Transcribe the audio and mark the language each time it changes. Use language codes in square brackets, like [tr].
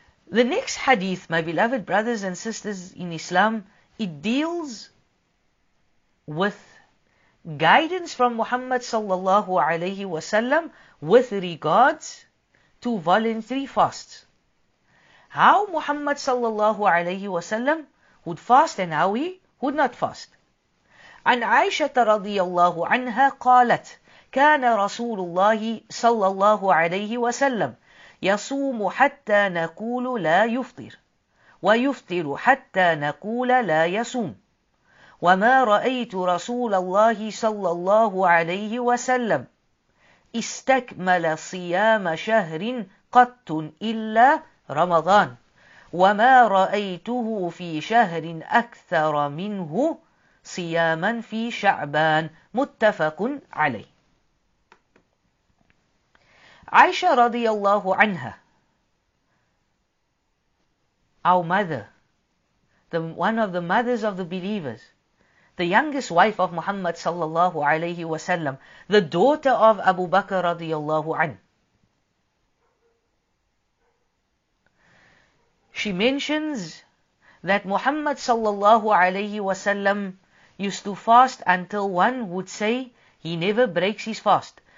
[en] The next hadith, my beloved brothers and sisters in Islam, it deals with guidance from Muhammad sallallahu alayhi wa sallam with regards to voluntary fasts. How Muhammad sallallahu alayhi wa sallam would fast and how he would not fast. [ar] An Aisha radiyallahu anha qalat, kana Rasulullah sallallahu alayhi wa sallam يصوم حتى نقول لا يفطر ويفطر حتى نقول لا يصوم وما رأيت رسول الله صلى الله عليه وسلم استكمل صيام شهر قط إلا رمضان وما رأيته في شهر أكثر منه صياما في شعبان متفق عليه. [en] Aisha radiyallahu anha, our mother, one of the mothers of the believers, the youngest wife of Muhammad sallallahu alayhi wa sallam, the daughter of Abu Bakr radiyallahu anha, she mentions that Muhammad sallallahu alayhi wa sallam used to fast until one would say he never breaks his fast.